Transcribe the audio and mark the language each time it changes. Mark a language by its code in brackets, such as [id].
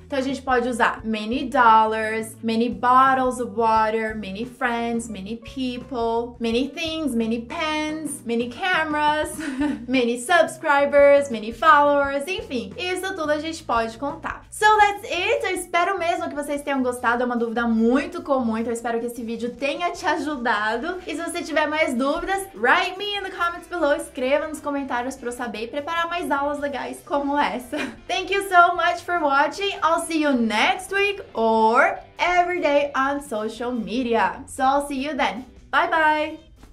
[pt] Então a gente pode usar [en] many dollars, many bottles of water, many friends, many people, many things, many pens, many cameras, many subscribers, many followers, [pt] enfim. Isso tudo a gente pode contar. [en] So that's it. [pt] Eu espero mesmo que vocês tenham gostado. É uma dúvida muito comum. Então eu espero que esse vídeo tenha te ajudado. E se você tiver mais dúvidas, [en] write me in the comments below. [pt] Escreva nos comentários para eu saber e preparar mais aulas legais como essa. [en] Thank you so much for watching. I'll see you next week or every day on social media. So I'll see you then. Bye bye!